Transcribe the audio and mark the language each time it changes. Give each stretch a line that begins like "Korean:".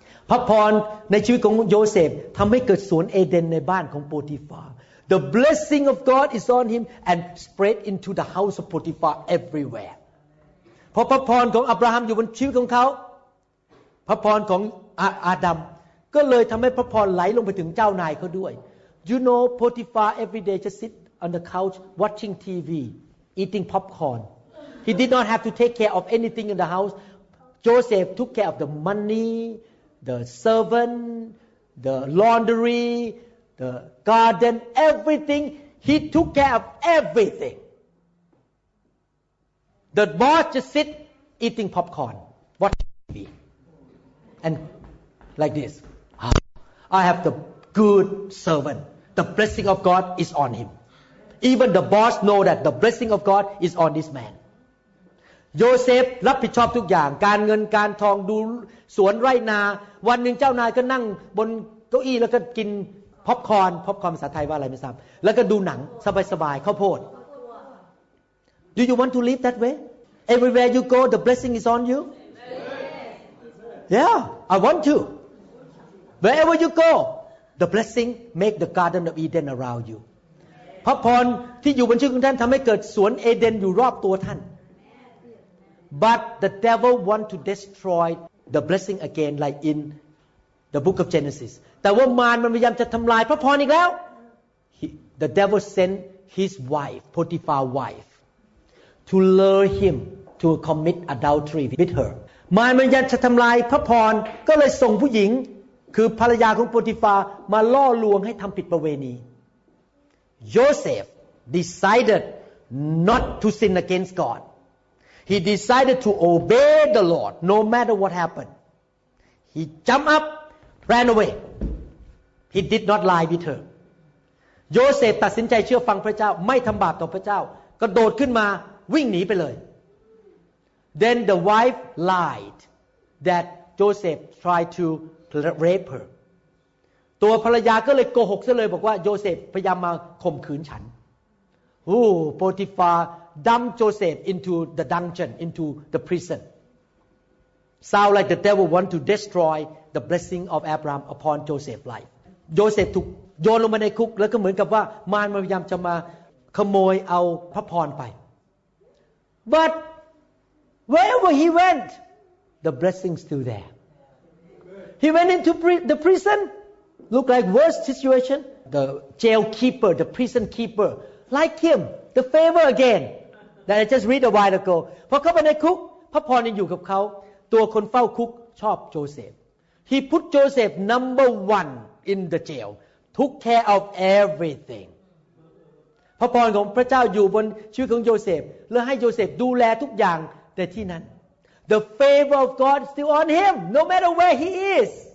Thai: พระพรในชีวิตของโยเซฟทำให้เกิดสวนเอเดนในบ้านของโปติฟาร์
English: The blessing of God is on him and spread into the house of Potiphar everywhere
Thai: เพราะพระพรของอับราฮัมอยู่บนชีวิตของเขาพระพรของอาดัมก็เลยทำให้พระพรไหลลงไปถึงเจ้านายเขาด้วย
English: You know, Potiphar every day just sit on the couch watching TV, eating popcorn. He did not have to take care of anything in the house. Joseph took care of the money, the servant, the laundry, the garden, everything. He took care of everything. The boss just sit eating popcorn, watching TV. And like this, I have the good servant. The blessing of God is on him. Even the boss know that the blessing of God is on this man.
Thai: Joseph รับผิดชอบทุกอย่างการเงินการทองดูสวนไร่นาวันหนึ่งเจ้านายก็นั่งบนเก้าอี้แล้วก็กินป๊อปคอร์นป๊อปคอร์นภาษาไทยว่าอะไรไม่ทราบแล้วก็ดูหนังสบายๆข้าวโพด
English: Do you want to live that way? Everywhere you go the blessing is on you? Yeah, I want to. Wherever you go the blessing make the garden of Eden around you.
Thai: ป๊อปคอร์นที่อยู่บนชีวิตของท่านทำให้เกิดสวนเอเดนอยู่รอบตัวท่าน
English: But the devil want to destroy the blessing again, like in the book of Genesis.
Thai: แต่ว่ามารมันพยายามจะทำลายพระพรอีกแล้ว
English: The devil sent his wife, Potiphar's wife, to lure him to commit adultery with her.
Thai: มารมันพยายามจะทำลายพระพรก็เลยส่งผู้หญิงคือภรรยาของโปติฟามาล่อลวงให้ทำผิดประเวณี
English: Joseph decided not to sin against God. He decided to obey the Lord no matter what happened. He jumped up, ran away. He did not lie with her.
Thai: Joseph ตัดสินใจเชื่อฟังพระเจ้าไม่ทำบาปต่อพระเจ้ากระโดดขึ้นมาวิ่งหนีไปเลย
English: Then the wife lied that Joseph tried to rape her.
Thai: ตัวภรรยาก็เลยโกหกซะเลยบอกว่าโยเซฟพยายามมาข่มขืนฉันโอ้โปรติฟา
English: Dump Joseph into the dungeon, into the prison. Sound like the devil want to destroy the blessing of Abraham upon Joseph's life.
Thai: Joseph ถูกโยนลงมาในคุกแล้วก็เหมือนกับว่ามารพยายามจะมาขโมยเอาพระพรไป
English: But wherever he went, the blessing still there. He went into the prison. Look like worse situation. The jail keeper, the prison keeper, like him, the favor again. That I just read a while ago.
Thai: พอเข้าไปในคุกพระพรยังอยู่กับเขาตัวคนเฝ้าคุกชอบโจเซฟ
English: He put Joseph number one in the jail. Took care of everything.
Thai: พระพรของพระเจ้าอยู่บนชีวิตของโยเซฟเลยให้โยเซฟดูแลทุกอย่างแต่ที่นั้น
English: The favor of God still on him, no matter where he is.